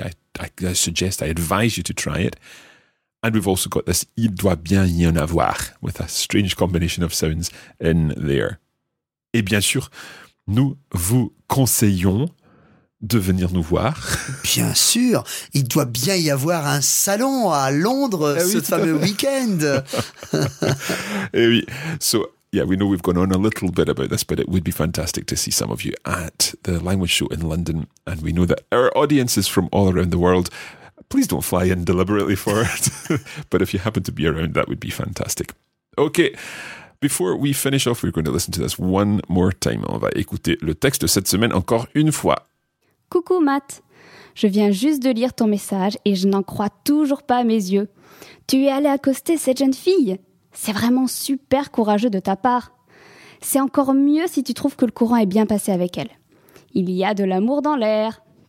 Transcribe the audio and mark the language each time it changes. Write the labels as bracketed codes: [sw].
[en] I advise you to try it. And we've also got this [fr] il doit bien y en avoir [en] with a strange combination of sounds in there. [fr] Et bien sûr, nous vous conseillons de venir nous voir. Bien sûr, il doit bien y avoir un salon à Londres ce fameux week-end. Et oui, [en] so yeah, we know we've gone on a little bit about this, but it would be fantastic to see some of you at the Language Show in London. And we know that our audience is from all around the world. Please don't fly in deliberately for it. But if you happen to be around, that would be fantastic. Okay, before we finish off, we're going to listen to this one more time. [fr] On va écouter le texte de cette semaine encore une fois. Coucou Matt, je viens juste de lire ton message et je n'en crois toujours pas à mes yeux. Tu es allé accoster cette jeune fille. C'est vraiment super courageux de ta part. C'est encore mieux si tu trouves que le courant est bien passé avec elle. Il y a de l'amour dans l'air.